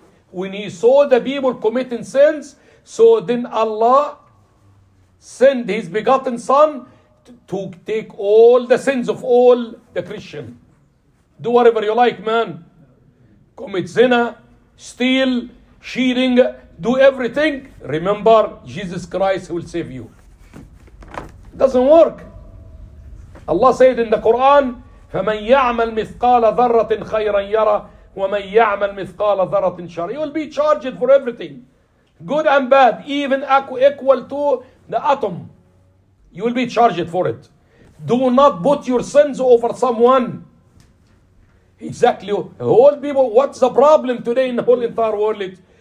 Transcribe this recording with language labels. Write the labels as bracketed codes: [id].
[en] When he saw the people committing sins, so then Allah sent his begotten son to take all the sins of all the Christian. Do whatever you like, man. Commit zina, steal, cheating, do everything. Remember, Jesus Christ will save you. Doesn't work. Allah said in the Quran, [ar] فَمَنْ يَعْمَلْ مِثْقَالَ ذَرَّةٍ خَيْرًا يَرَى وَمَنْ يَعْمَلْ مِثْقَالَ ذَرَّةٍ شَرًا. [en] You will be charged for everything, good and bad, even equal to the atom. You will be charged for it. Do not put your sins over someone. Exactly. All people, what's the problem today in the whole entire world?